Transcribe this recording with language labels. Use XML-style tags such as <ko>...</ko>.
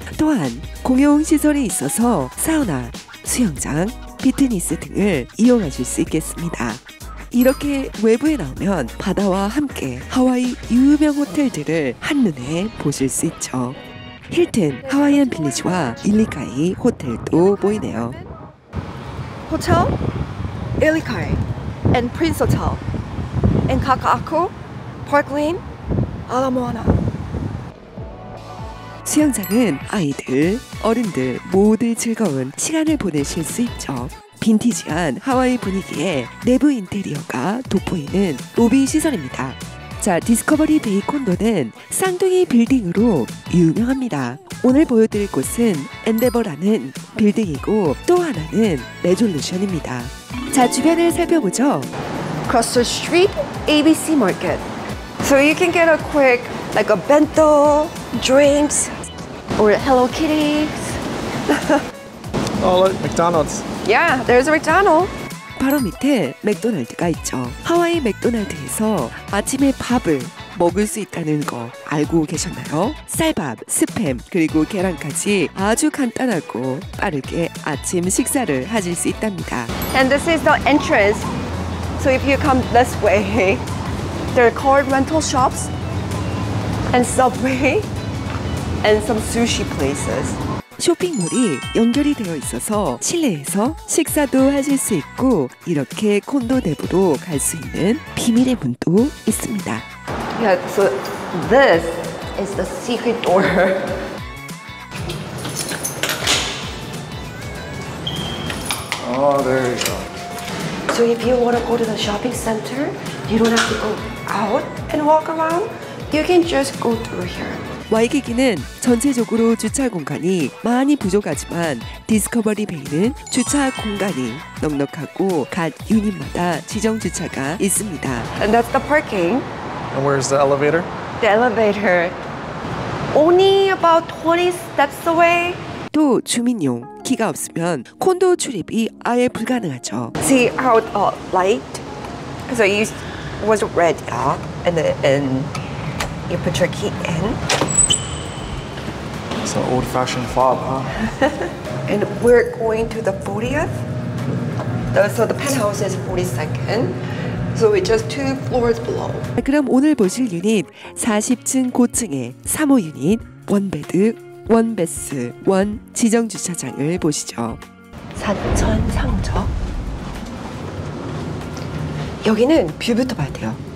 <ko>또한 공용 시설이 있어서 사우나, 수영장, 피트니스 등을 이용하실 수 있겠습니다. 이렇게 외부에 나오면 바다와 함께 하와이 유명 호텔들을 한눈에 보실 수 있죠. 힐튼 하와이안 빌리지와 일리카이 호텔도 보이네요.</ko> <en>호텔, 일리카이, and Prince Hotel, and Kaka'ako, Park Lane, Alamoana.</en> <ko>수영장은 아이들, 어른들 모두 즐거운 시간을 보내실 수 있죠. 빈티지한 하와이 분위기에 내부 인테리어가 돋보이는 로비 시설입니다. 자, 디스커버리 베이 콘도는 쌍둥이 빌딩으로 유명합니다. 오늘 보여드릴 곳은 엔데버라는 빌딩이고 또 하나는 레졸루션입니다. 자, 주변을 살펴보죠.</ko> <en>Cross the street, ABC Market. So you can get a quick, like a bento, drinks, or Hello Kitties. Oh, look, McDonald's. Yeah, there's a McDonald's.</en> <ko>바로 밑에 맥도날드가 있죠. 하와이 맥도날드에서 아침에 밥을 먹을 수 있다는 거 알고 계셨나요? 쌀밥, 스팸, 그리고 계란까지 아주 간단하고 빠르게 아침 식사를 하실 수 있답니다.</ko> <en>And this is the entrance. So if you come this way, there are car rental shops, and subway, and some sushi places.</en> <ko>쇼핑몰이 연결이 되어 있어서 실내에서 식사도 하실 수 있고 이렇게 콘도 내부로 갈 수 있는 비밀의 문도 있습니다.</ko> <en>Yeah, so this is the secret door. Oh, there you go. So if you want to go to the shopping center, you don't have to go out and walk around. You can just go through here.</en> <ko>와이키키는 전체적으로 주차 공간이 많이 부족하지만 디스커버리 베이는 주차 공간이 넉넉하고 각 유닛마다 지정 주차가 있습니다.</ko> <en>And that's the parking. And where's the elevator? The elevator. Only about 20 steps away.</en> <ko>또 주민용 키가 없으면 콘도 출입이 아예 불가능하죠.</ko> <en>See how the light? So it was red, yeah? And then you put your key in. It's an old-fashioned fob, huh? And we're going to the 40th. So the penthouse is 42nd. So it's just two floors below.</en> <ko>그럼 오늘 보실 유닛 40층 고층의 3호 유닛 원베드, 원베스, 원 지정 주차장을 보시죠. 4천 상적. 여기는 뷰부터 봐야 돼요.</ko>